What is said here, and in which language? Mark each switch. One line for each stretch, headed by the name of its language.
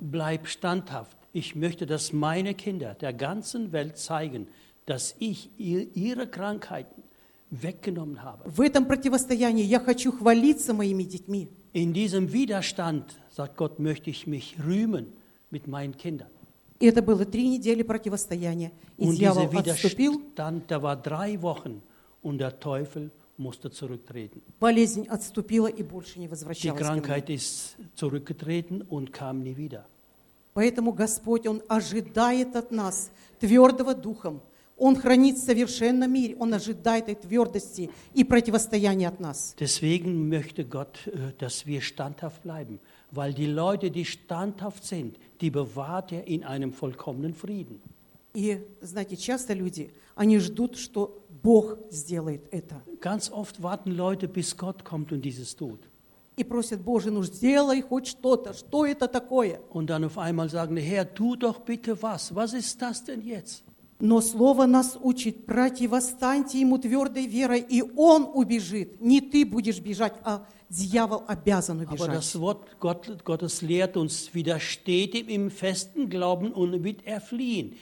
German: Bleib standhaft. Ich möchte, dass meine Kinder der ganzen Welt zeigen, dass ich ihre Krankheiten weggenommen habe.
Russian: В этом противостоянии я хочу хвалиться моими детьми.
German: In diesem Widerstand, sagt Gott, möchte ich mich rühmen mit meinen Kindern.
Russian: И это было 3 недели противостояния. И
German: und
Russian: дьявол отступил.
German: Stand, war 3 Wochen, und der Teufel musste zurücktreten.
Russian: Болезнь отступила и больше не возвращалась.
German: Die Krankheit ist zurückgetreten und kam nie wieder.
Russian: Поэтому Господь, Он ожидает от нас твердого духом. Он хранит совершенно мир. Он ожидает этой твердости и противостояния от нас.
German: Deswegen möchte Gott, dass wir standhaft bleiben. Weil die Leute, die standhaft sind, die bewahrt er in einem vollkommenen Frieden.
Russian: И, знаете, часто люди, они ждут, что Бог сделает это.
German: Ganz oft warten Leute, bis Gott kommt und dieses tut.
Russian: И просят, Боже, ну сделай хоть что-то. Что это такое?
German: Und dann auf einmal sagen, Herr, tu doch bitte was. Was ist das denn jetzt?
Russian: Но Слово нас учит, противостаньте Ему твердой верой, и Он убежит. Не ты будешь бежать, а дьявол обязан убежать.
German: Aber das Wort Gottes lehrt uns, widersteht ihm im festen Glauben und wird er fliehen.